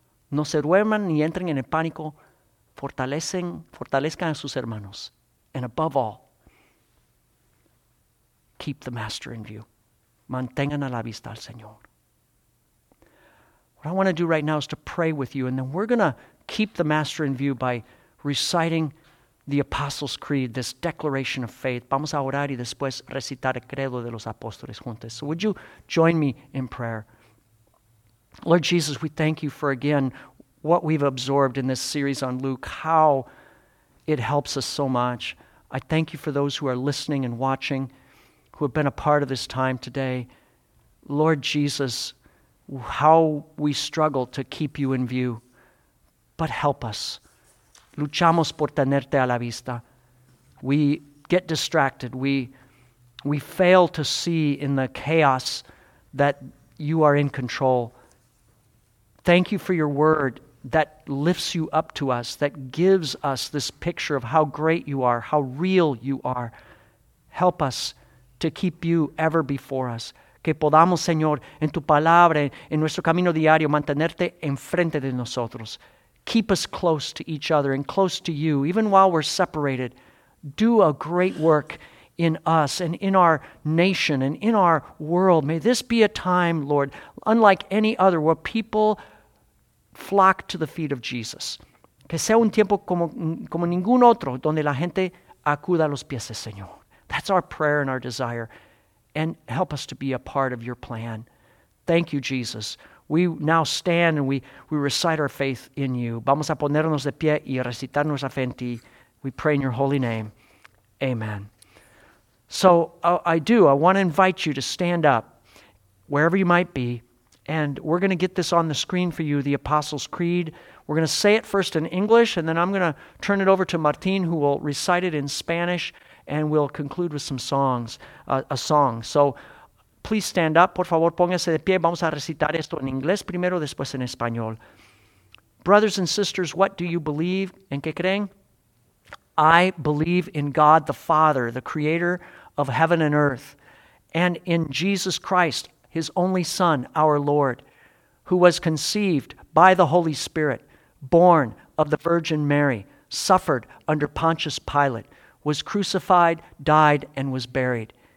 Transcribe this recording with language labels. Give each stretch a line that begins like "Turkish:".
Spanish: No se duerman ni entren en el pánico. Fortalezcan a sus hermanos.
English: And above all, keep the master in view.
Spanish: Mantengan a la vista al Señor.
English: What I want to do right now is to pray with you, and then we're going to keep the Master in view by reciting the Apostles' Creed, this declaration of faith.
Spanish: Vamos a orar y después recitar el credo de los apóstoles juntos.
English: So would you join me in prayer? Lord Jesus, we thank you for, again, what we've absorbed in this series on Luke, how it helps us so much. I thank you for those who are listening and watching, who have been a part of this time today. Lord Jesus, how we struggle to keep you in view, but help us.
Spanish: Luchamos por tenerte a la vista.
English: We get distracted. We fail to see in the chaos that you are in control. Thank you for your word that lifts you up to us, that gives us this picture of how great you are, how real you are. Help us to keep you ever before us.
Spanish: Que podamos, Señor, en tu palabra, en nuestro camino diario, mantenerte enfrente de nosotros.
English: Keep us close to each other and close to you, even while we're separated. Do a great work in us and in our nation and in our world. May this be a time, Lord, unlike any other, where people flock to the feet of Jesus.
Spanish: Que sea un tiempo como ningún otro, donde la gente acuda a los pies del Señor.
English: That's our prayer and our desire. And help us to be a part of your plan. Thank you, Jesus. We now stand and we recite our faith in you.
Spanish: Vamos a ponernos de pie y recitar nuestra fe en ti.
English: We pray in your holy name. Amen. So I want to invite you to stand up wherever you might be. And we're going to get this on the screen for you, the Apostles' Creed. We're going to say it first in English, and then I'm going to turn it over to Martin, who will recite it in Spanish. And we'll conclude with some songs, a song. So please stand up.
Spanish: Por favor, póngase de pie. Vamos a recitar esto en inglés primero, después en español.
English: Brothers and sisters, what do you believe?
Spanish: ¿En qué creen?
English: I believe in God the Father, the creator of heaven and earth, and in Jesus Christ, his only Son, our Lord, who was conceived by the Holy Spirit, born of the Virgin Mary, suffered under Pontius Pilate, was crucified, died, and was buried.